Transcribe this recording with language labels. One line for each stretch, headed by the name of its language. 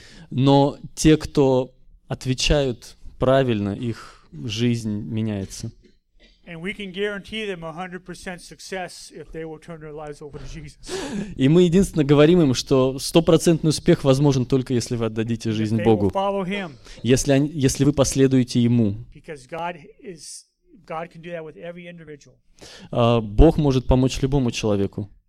Russian: Но те, кто отвечают правильно, их жизнь меняется.
English: And we can guarantee them 100% success if they will turn their lives over to Jesus.
Russian: И мы единственно говорим им, что 100% успех возможен только если вы отдадите жизнь Богу.
English: If they will follow Him.
Russian: Если вы последуете Ему.
English: Because God can do that with every individual.
Russian: Бог может помочь любому человеку.